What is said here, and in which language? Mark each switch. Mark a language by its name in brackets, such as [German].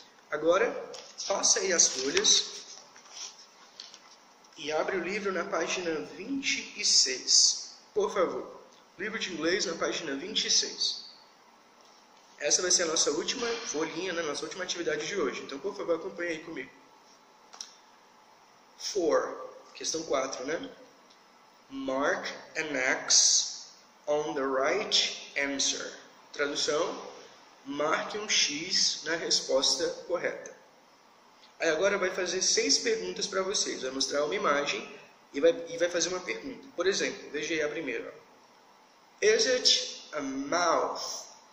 [Portuguese] Agora, faça aí as folhas. E abre o livro na página 26. Por favor, livro de inglês na página 26. Essa vai ser a nossa última folhinha, né? Nossa última atividade de hoje. Então, por favor, acompanhe aí comigo. [English] Four. [Portuguese] Questão 4, né? [English] Mark an X on the right answer. [Portuguese] Tradução: marque um X na resposta correta. Aí agora vai fazer seis perguntas para vocês. Vai mostrar uma imagem e vai fazer uma pergunta. Por exemplo, veja aí a primeira. [English] Is it a mouth?